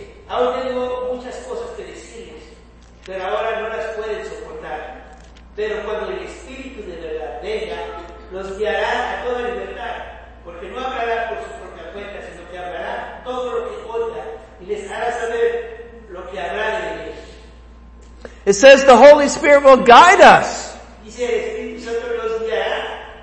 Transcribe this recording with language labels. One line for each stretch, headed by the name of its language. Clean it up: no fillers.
Spanish: Aún tengo muchas cosas que decirles, pero ahora no las pueden soportar. Pero cuando el Espíritu de verdad venga, los guiará a toda libertad, porque no hablará por su propia cuenta, sino que hablará todo lo que oiga y les hará saber lo que habrá de ellos.
English: It says the Holy Spirit will guide us.
Spanish: Dice el Espíritu Santo los guiará.